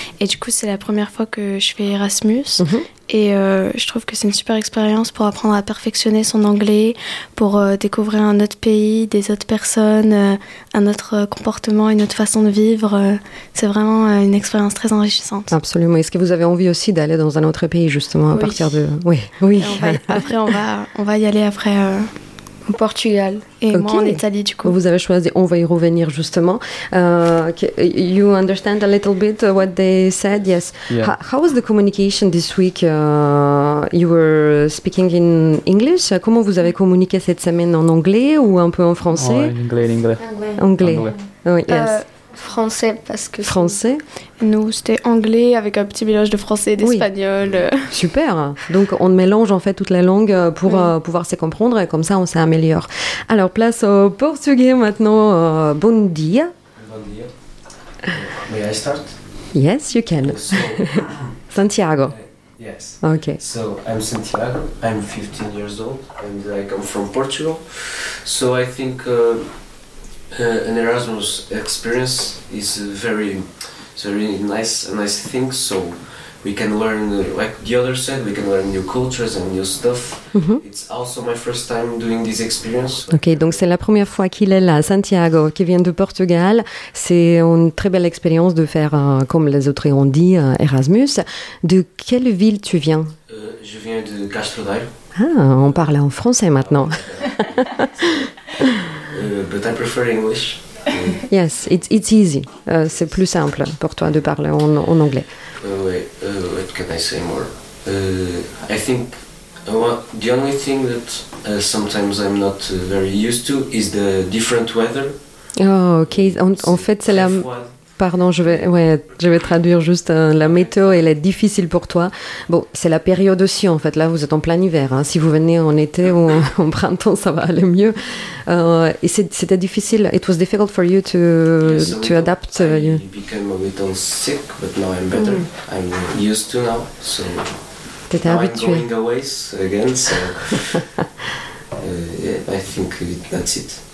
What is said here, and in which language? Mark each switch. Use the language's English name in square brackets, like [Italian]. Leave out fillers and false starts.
[French] Et du coup, c'est la première fois que je fais Erasmus. Mmh. Et je trouve que c'est une super expérience pour apprendre à perfectionner son anglais, pour découvrir un autre pays, des autres personnes, un autre comportement, une autre façon de vivre. C'est vraiment une expérience très enrichissante. Absolument. Est-ce que vous avez envie aussi d'aller dans un autre pays, justement, à partir de... Oui. Oui. On va y aller après... Au Portugal et okay. Moi en Italie du coup. Vous avez choisi, on va y revenir justement. [English] You understand a little bit what they said, yes. Yeah. How was the communication this week? You were speaking in English. [French] Comment vous avez communiqué cette semaine, en anglais ou un peu en français? Anglais. Français parce que... Français. Nous, c'était anglais avec un petit mélange de français et d'espagnol. Oui. Super. Donc, on mélange en fait toutes les langues pour pouvoir se comprendre et comme ça, on s'améliore. Alors, place au portugais maintenant. [Portuguese] Bon dia. [English] May I start? Yes, you can. Santiago. Yes. Okay. So, I'm Santiago. I'm 15 years old and I come from Portugal. So, I think... an Erasmus experience is very nice thing. So we can learn, like the other said, we can learn new cultures and new stuff. Mm-hmm. It's also my first time doing this experience. [French] Ok, donc c'est la première fois qu'il est là, Santiago, qui vient de Portugal. C'est une très belle expérience de faire, comme les autres ont dit, Erasmus. De quelle ville tu viens? Je viens de Castro Daire. Ah, on parle en français maintenant. [English] But I prefer English. Yes, it's easy. [French] C'est plus simple pour toi de parler en anglais. [English] What can I say more? I think the only thing that sometimes I'm not very used to is the different weather. [French] Oh, okay. En fait, c'est la... Pardon, je vais traduire juste la météo, elle est difficile pour toi. Bon, c'est la période aussi en fait, là vous êtes en plein hiver, hein. Si vous venez en été ou en printemps, ça va aller mieux. C'était difficile, [English] it was difficult for you to, yes, to adapt. I became a little sick, but now I'm better, I'm used to now, so [French] t'étais [English] now [French] habitué. [English] I'm going away again, so yeah, I think that's it.